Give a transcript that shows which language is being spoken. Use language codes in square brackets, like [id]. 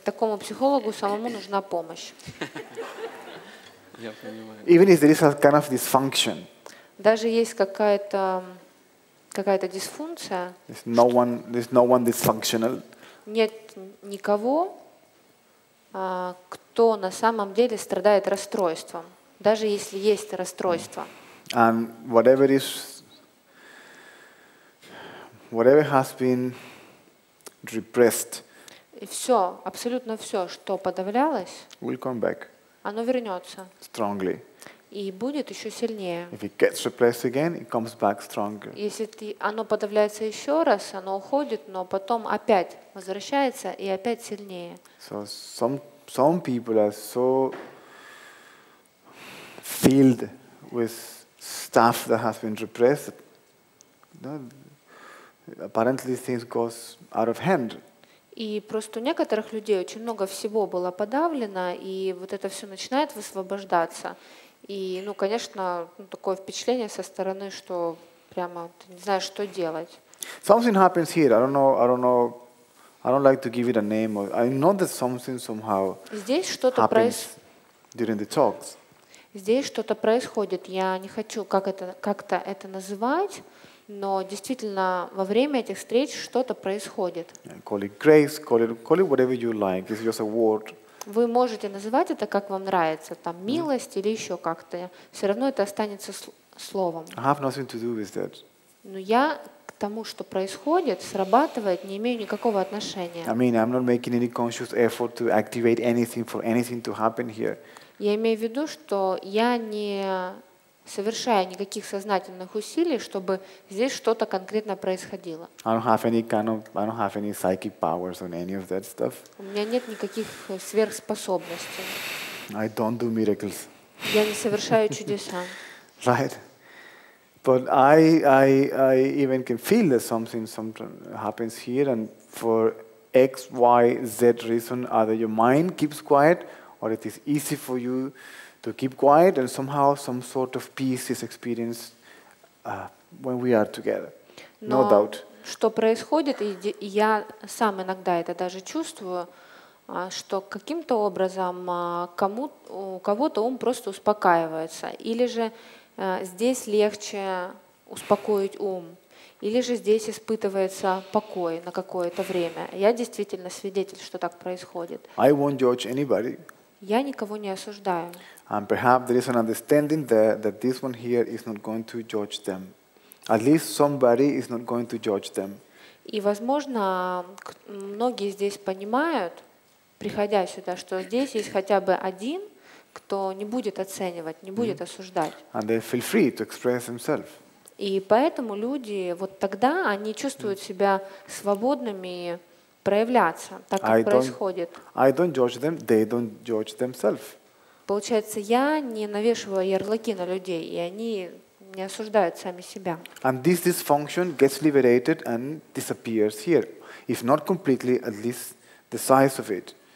[ru] Такому психологу самому нужна помощь. Я понимаю. [en] Even if there is a kind of dysfunction. [ru] Даже есть какая-то дисфункция. [en] There's no one dysfunctional. [ru] Нет никого, кто на самом деле страдает расстройством, даже если есть расстройство. [en] And whatever has been repressed. [ru] И все, абсолютно все, что подавлялось, [en] will come back. [ru] Оно вернется. [en] Strongly. [ru] И будет еще сильнее. [en] If it gets repressed again, it comes back stronger. [ru] Если оно подавляется еще раз, оно уходит, но потом опять возвращается и опять сильнее. [en] So some people are so filled with stuff that has been repressed. No, apparently things goes out of hand. [ru] И просто у некоторых людей очень много всего было подавлено, и вот это все начинает высвобождаться. И, ну, конечно, такое впечатление со стороны, что прямо ты не знаешь, что делать. [en] Something happens here. I don't know. I don't like to give it a name. I know that something somehow [ru] здесь что-то [en] during the talks. [ru] Здесь что-то происходит. Я не хочу как-то это называть, но действительно во время этих встреч что-то происходит. [en] Yeah, call it grace. Call it whatever you like. It's just a word. [ru] Вы можете называть это как вам нравится, там милость или еще как-то. Все равно это останется словом. [en] I have nothing to do with that. [ru] Но я к тому, что происходит, срабатывает, не имею никакого отношения. [en] I mean, I'm not making any conscious effort to activate anything for anything to happen here. [ru] Я имею в виду, что я не совершаю никаких сознательных усилий, чтобы здесь что-то конкретно происходило. [en] I don't have any psychic powers on any of that stuff. [ru] У меня нет никаких сверхспособностей. [en] I don't do miracles. [ru] Я не совершаю чудеса. [en] Right. But I even can feel that something happens here, and for X, Y, Z reason, either your mind keeps quiet, or it is easy for you to keep quiet, and somehow some sort of peace is experienced when we are together. No doubt. [ru] Что происходит, и я сам иногда это даже чувствую, что каким-то образом у кого-то ум просто успокаивается, или же здесь легче успокоить ум, или же здесь испытывается покой на какое-то время. Я действительно свидетель, что так происходит. [en] I won't judge anybody. [ru] Я никого не осуждаю. [en] And perhaps there is an understanding there that this one here is not going to judge them. At least somebody is not going to judge them. [ru] И возможно, многие здесь понимают, приходя сюда, что здесь есть хотя бы один, кто не будет оценивать, не будет осуждать. [en] And they feel free to express themselves. [ru] И поэтому люди вот тогда они чувствуют себя свободными проявляться, так как происходит. [en] I don't judge them, they don't judge themselves. [ru] Получается, я не навешиваю ярлыки на людей, и они не осуждают сами себя. [en] And this dysfunction gets liberated and disappears here, if not completely, at least the size of it.